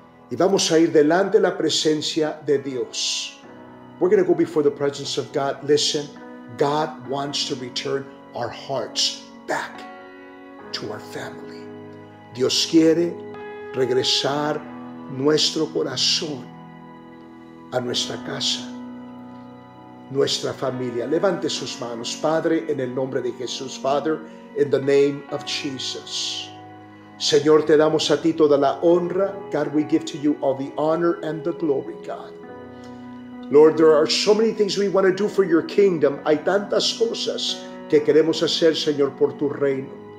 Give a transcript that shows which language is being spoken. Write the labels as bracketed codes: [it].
[es] Y vamos a ir delante de la presencia de Dios. [en] We're going to go before the presence of God. Listen, God wants to return our hearts back to our family. [es] Dios quiere regresar nuestro corazón a nuestra casa, nuestra familia. Levante sus manos, Padre, en el nombre de Jesús. [en] Father, in the name of Jesus. [es] Señor, te damos a ti toda la honra. [en] God, we give to you all the honor and the glory, God. Lord, there are so many things we want to do for your kingdom. [es] Hay tantas cosas que queremos hacer, Señor, por tu reino.